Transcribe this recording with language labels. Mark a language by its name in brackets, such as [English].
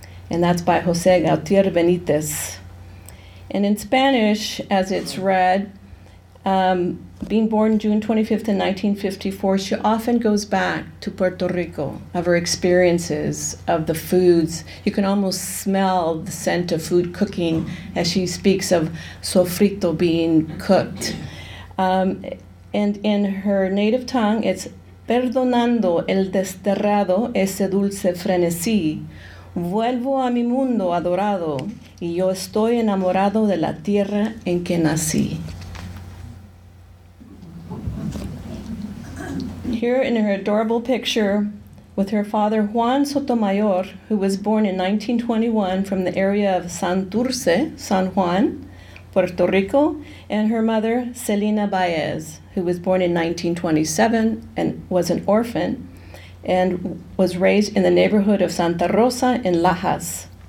[English] And that's by Jose Gautier Benitez. And in Spanish, as it's read, being born June 25th in 1954, she often goes back to Puerto Rico, of her experiences, of the foods. You can almost smell the scent of food cooking as she speaks of sofrito being cooked. And in her native tongue, it's [Spanish] "Perdonando el desterrado ese dulce frenesí, vuelvo a mi mundo adorado, y yo estoy enamorado de la tierra en que nací." [English] Here in her adorable picture with her father Juan Sotomayor, who was born in 1921 from the area of Santurce, San Juan, Puerto Rico, and her mother Celina Baez, who was born in 1927 and was an orphan and was raised in the neighborhood of Santa Rosa in Lajas.